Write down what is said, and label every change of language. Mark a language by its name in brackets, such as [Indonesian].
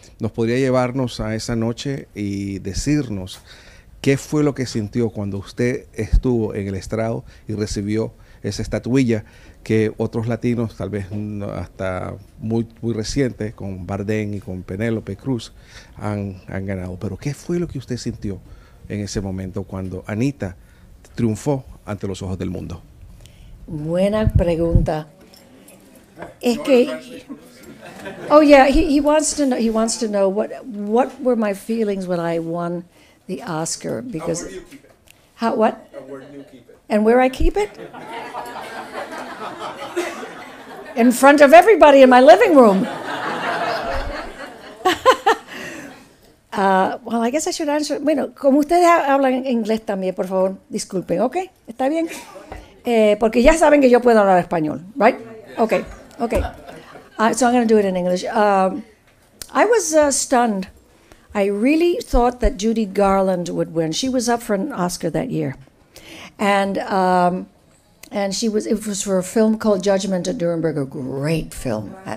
[Spanish] ¿Nos podría llevarnos a esa noche y decirnos qué fue lo que sintió cuando usted estuvo en el estrado y recibió esa estatuilla que otros latinos, tal vez hasta muy, muy reciente, con Bardem y con Penélope Cruz, han ganado? ¿Pero qué fue lo que usted sintió en ese momento cuando Anita triunfó ante los ojos del mundo? Buena pregunta. Es que, [English] oh yeah, he wants to know. He wants to know what were my feelings when I won the Oscar? Because how do you keep it? How what? And where do you keep it? And where I keep it? In front of everybody in my living room. Well, I guess I should answer. [Spanish] Bueno, como ustedes hablan inglés también, por favor, disculpen, ¿ok? ¿Está bien? Porque ya saben que yo puedo hablar español, right? [English] Okay, okay. So I'm going to do it in English. I was stunned. I really thought that Judy Garland would win. She was up for an Oscar that year. And she was. It was for a film called Judgment at Nuremberg, a great film.